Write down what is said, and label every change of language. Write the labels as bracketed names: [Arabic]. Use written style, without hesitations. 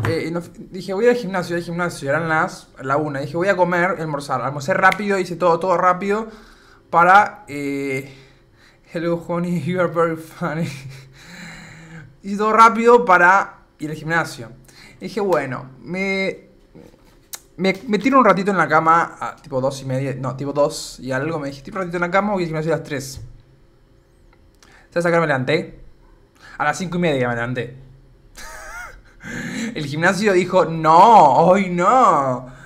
[Spanish] No, dije, voy al gimnasio, eran las la una. Dije, voy a comer, almorzar. Almorcé rápido, hice todo, todo rápido para. [English] Hello, honey, you are very funny. [Spanish] Hice todo rápido para ir al gimnasio. Y dije, bueno, me tiro un ratito en la cama, tipo 2:30, no, tipo 2 y algo. Me dije, tiro un ratito en la cama, voy al gimnasio a las 3. ¿Sabes a qué me levanté? A las 5:30 me levanté. El gimnasio dijo, no, hoy no.